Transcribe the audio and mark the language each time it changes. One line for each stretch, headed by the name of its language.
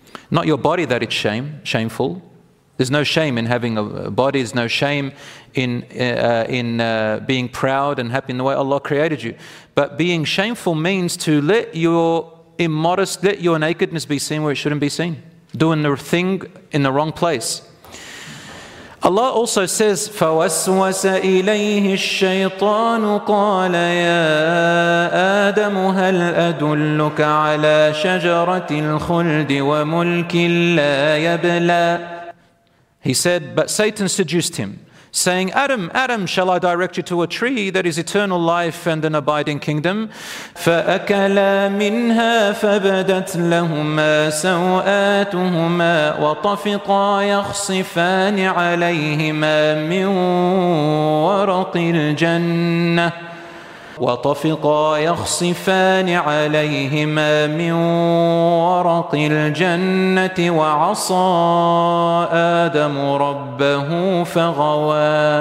English: Not your body that it's shameful. There's no shame in having a body. There's no shame in being proud and happy in the way Allah created you. But being shameful means to let your nakedness be seen where it shouldn't be seen. Doing the thing in the wrong place. Allah also says,
Arabic: فَوَسْوَسَ إِلَيْهِ الشَّيْطَانُ قَالَ يَا آدَمُ هَلْ أَدُلُّكَ عَلَى شَجَرَةِ الْخُلْدِ وَمُلْكٍ لَا يَبْلَى.
English: He said, but Satan seduced him, saying, Adam, Adam, shall I direct you to a tree that is eternal life and an abiding kingdom?
Arabic: فَأَكَلَا مِنْهَا فَبَدَتْ لَهُمَا سَوْآتُهُمَا وَطَفِقَا يَخْصِفَانِ عَلَيْهِمَا مِنْ وَرَقِ الْجَنَّةِ وَطَفِقَا يَخْصِفَانِ عَلَيْهِمَا مِنْ وَرَقِ الْجَنَّةِ وَعَصَى آدَمُ رَبَّهُ فَغَوَى.